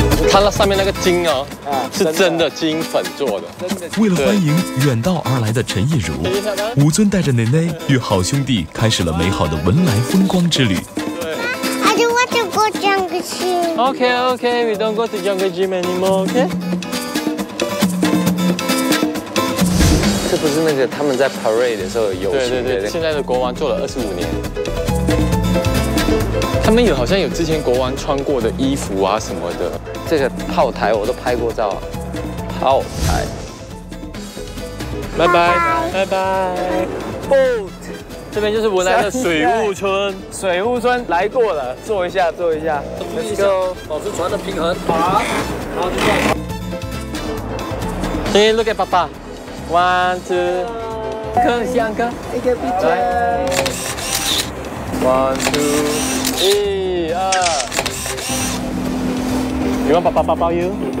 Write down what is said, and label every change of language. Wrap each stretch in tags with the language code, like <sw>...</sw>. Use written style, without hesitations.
<zh>它那上面那个金啊，是真的金粉做的。为了欢迎远道而来的陈亦如，吴尊带着奶奶与好兄弟开始了美好的文莱风光之旅。</zh> <en>I don't want to go jungle gym. Okay, okay, we don't go to jungle gym anymore. Okay.</en> <zh>这不是那个他们在 parade 的时候游行的。对对对，现在的国王做了25年。他们有好像有之前国王穿过的衣服啊什么的。这个炮台我都拍过照。炮台。拜拜拜拜。</zh> <en>Boat。</en> <zh>这边就是文莱的水雾村。水雾村来过了，坐一下坐一下。</zh> <en>Let's go。</en> <zh>保持船的平衡。好啊。好，就这样。</zh> <en>Hey, look at Papa。 One, two.</en> <zh>哥，西洋哥。</zh> <en>Take a picture. One, two.</en> <zh>一二</zh> <en>，You want Papa to hug you?</en>